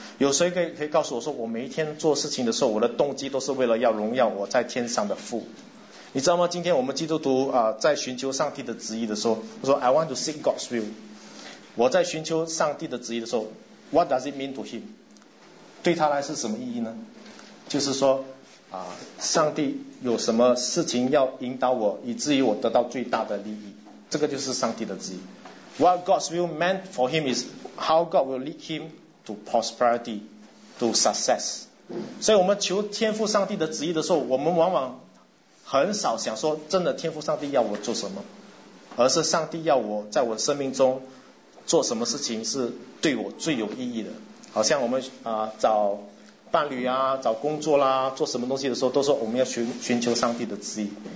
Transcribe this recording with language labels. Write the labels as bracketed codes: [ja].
[zh] 有谁可以告诉我说，我每一天做事情的时候，我的动机都是为了要荣耀我在天上的父，你知道吗？今天我们基督徒啊，在寻求上帝的旨意的时候，我说 [en] I want to seek God's will， [zh] 我在寻求上帝的旨意的时候， [en] What does it mean to him？ [zh] 对他来是什么意义呢？就是说啊，上帝有什么事情要引导我，以至于我得到最大的利益，这个就是上帝的旨意。 [en] What God's will meant for him is how God will lead him to prosperity, to success. [zh] 所以我们求天父上帝的旨意的时候，我们往往很少想说真的天父上帝要我做什么，而是上帝要我在我生命中做什么事情是对我最有意义的。好像我们找伴侣啊，找工作啦，做什么东西的时候，都说我们要寻求上帝的旨意。